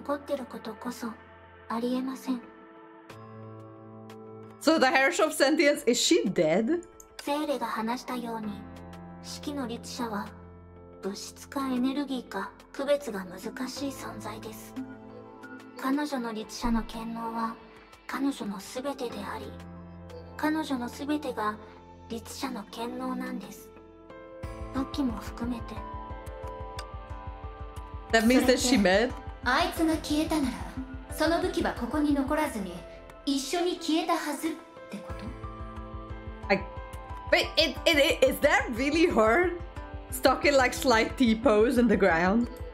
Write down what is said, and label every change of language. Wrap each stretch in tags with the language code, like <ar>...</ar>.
<ja>それって式の律者さんが武器をここに残したのはわざとじゃなくて仕方なく作ったという意味ですか？まさか敵が彼女の律者の剣能を回収したとか？違います。本当にそんなことができる人がいたら式の律者の武器がここに残ってることこそありえません。</ja> <en>So the Herrscher of Sentience, is she dead?</en> <ja>セイレが話したように、式の律者は物質かエネルギーか区別が難しい存在です。彼女の律者の権能は彼女のすべてであり、彼女のすべてが律者の権能なんです。武器も含めて。</ja> <en>That means that she's dead?</en> <ja>あいつが消えたなら、その武器はここに残らずに。一緒に消えたはず ってこと?</ja> <en>Wait, is that really her? Stuck in like slight T-pose in the ground?</en>